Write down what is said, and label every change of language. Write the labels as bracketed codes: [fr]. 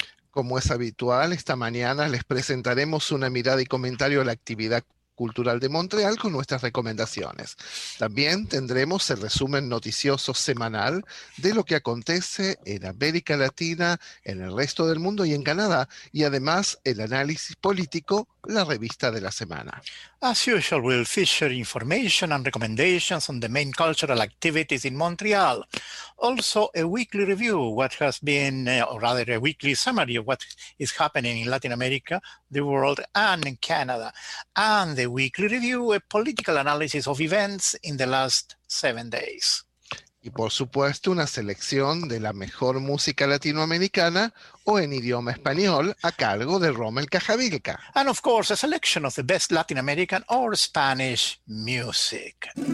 [es] Como es habitual, esta mañana les presentaremos una mirada y comentario a la actividad cultural de Montreal con nuestras recomendaciones. También tendremos el resumen noticioso semanal de lo que acontece en América Latina, en el resto del mundo y en Canadá, y además el análisis político, la revista de la semana. [en] As usual, we'll feature information and recommendations on the main cultural activities in Montreal. Also, a weekly review, what has been, or rather a weekly summary of what is happening in Latin America, the world, and in Canada. And the weekly review, a political analysis of events in the last 7 days. [es] Y por supuesto, una selección de la mejor música latinoamericana o en idioma español a cargo de Rommel Cajavilca. [en] And of course, a selection of the best Latin American or Spanish music.